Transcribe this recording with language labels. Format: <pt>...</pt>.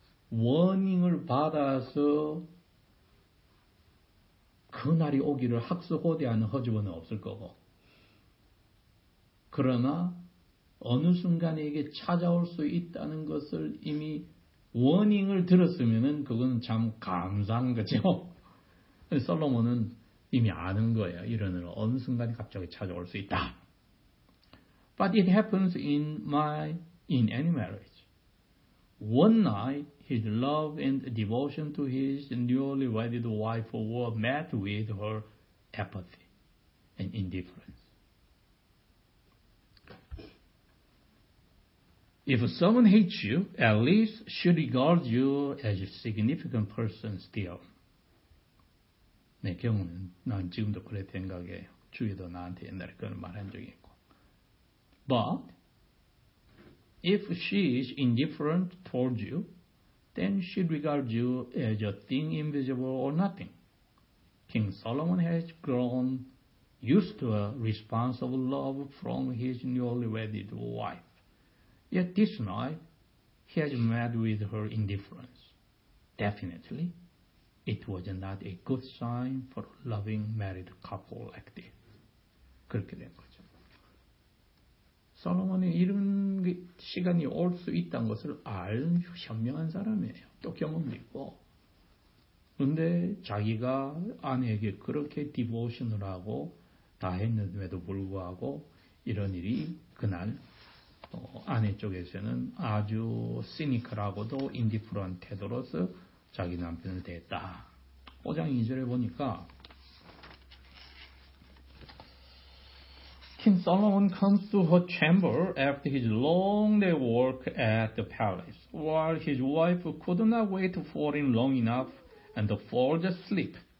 <ko>워닝을 받아서 그날이 오기를 학수호대하는 허즈번은 없을 거고 그러나 어느 순간에 이게 찾아올 수 있다는 것을 이미 워닝을 들었으면은 그건 참 감사한 거죠. 솔로몬은 이미 아는 거예요. 이런 일은 어느 순간 갑자기 찾아올 수 있다.</ko> <en>But it happens in any marriage. One night, his love and devotion to his newly wedded wife were met with her apathy and indifference. If someone hates you, at least she regards you as a significant person still.</en> <ko>내 경우는 난 지금도 그래 생각해요. 주위도 나한테 옛날에 그런 말한 적이 있고.</ko> <en>But if she is indifferent towards you, then she regards you as a thing invisible or nothing. King Solomon has grown used to a response of love from his newly wedded wife. Yet this night, he has met with her indifference. Definitely, it was not a good sign for a loving married couple like this.</en> <ko>그렇게 된 거죠. 솔로몬이 이런 시간이 올 수 있다는 것을 알는 현명한 사람이에요. 또 경험도 있고. 그런데 자기가 아내에게 그렇게 디보션을 하고 다 했는데도 불구하고 이런 일이 그날 아내 쪽에서는 아주 시니컬하고도 인디프런 태도로서 자기 남편을 대했다. 5장 2절에 보니까</ko> <en>King Solomon comes to her chamber after his long day work at the palace, while his wife could not wait for him long enough and falls asleep.</en>